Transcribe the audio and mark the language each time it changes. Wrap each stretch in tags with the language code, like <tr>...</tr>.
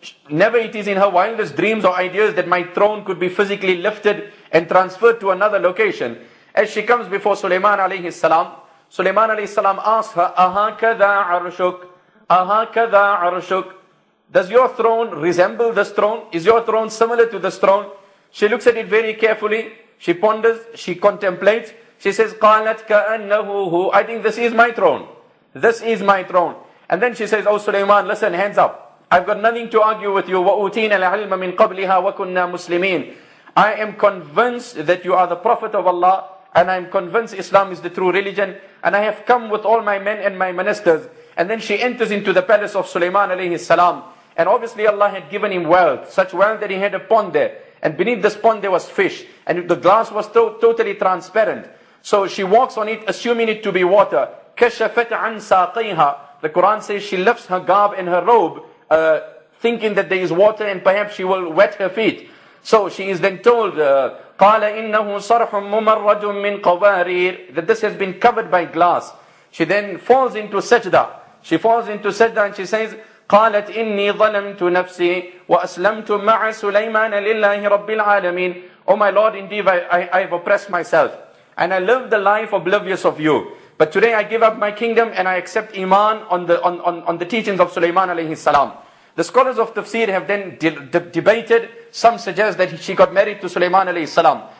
<en>Never it is in her wildest dreams or ideas that my throne could be physically lifted and transferred to another location. As she comes before Sulaiman alayhi salam, Sulaiman alayhi salam asks her,</en> <ar>Ahakadha arshuk? Ahakadha arshuk?</ar> <en>Does your throne resemble this throne? Is your throne similar to this throne? She looks at it very carefully. She ponders. She contemplates. She says,</en> <ar>قَالَتْ كَأَنَّهُ هُ.</ar> <en>I think this is my throne. This is my throne. And then she says, oh Sulaiman, listen, hands up. I've got nothing to argue with you.</en> <ar>وَأُوتِينَ الْعِلْمَ مِنْ قَبْلِهَا وَكُنَّا مُسْلِمِينَ.</ar> <en>I am convinced that you are the Prophet of Allah. And I am convinced Islam is the true religion. And I have come with all my men and my ministers. And then she enters into the palace of Sulaiman alayhi salam. And obviously Allah had given him wealth, such wealth that he had a pond there. And beneath this pond there was fish. And the glass was totally transparent. So she walks on it, assuming it to be water.</en> <ar>كَشَفَتْ عَنْ سَاقِيهَا.</ar> <en>The Quran says she lifts her garb and her robe, thinking that there is water and perhaps she will wet her feet. So she is then told,</en> <ar>قال إنه صرح ممرج من قوارير.</ar> <en>That this has been covered by glass. She then falls into sajda. She falls into sajda and she says,</en> <ar>قالت إني ظلمت نفسي وأسلمت مع سليمان لله رب العالمين.</ar> <en>Oh my Lord, indeed I've oppressed myself. And I live the life oblivious of you. But today I give up my kingdom and I accept Iman on the teachings of Sulaiman alayhi salam. The scholars of tafsir have then debated. Some suggest that she got married to Sulaiman alayhi salam.</en>